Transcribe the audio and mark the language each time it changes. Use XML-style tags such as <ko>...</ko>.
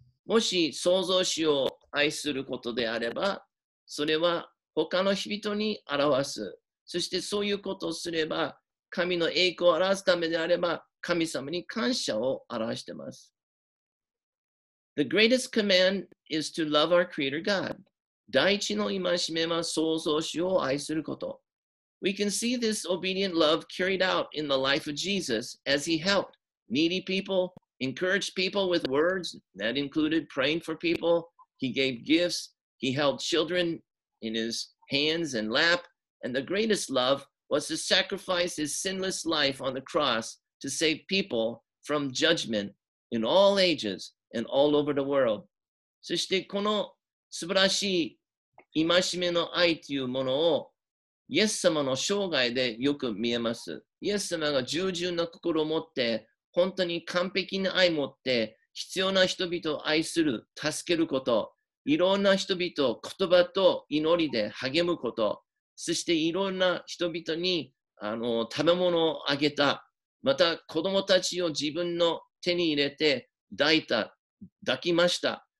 <ja>もし創造主を愛することであれば、それは他の人に表す。そしてそういうことをすれば、神の栄光を表すためであれば、神様に感謝を表しています。</ja> <en>The greatest command is to love our Creator God.</en> <ja>第一の戒めは創造主を愛すること。</ja> <en>We can see this obedient love carried out in the life of Jesus as he helped needy people, encouraged people with words, that included praying for people. He gave gifts. He held children in his hands and lap. And the greatest love was to sacrifice his sinless life on the cross to save people from judgment in all ages and all over the world.</en> <ja>そしてこの素晴らしい戒めの愛というものをイエス様の生涯でよく見えます。イエス様が従順な心を持って、本当に完璧な愛を持って、必要な人々を愛する、助けること、いろんな人々を言葉と祈りで励むこと、そしていろんな人々に食べ物をあげた、また子供たちを自分の手に入れて抱いた、抱きました。</ja>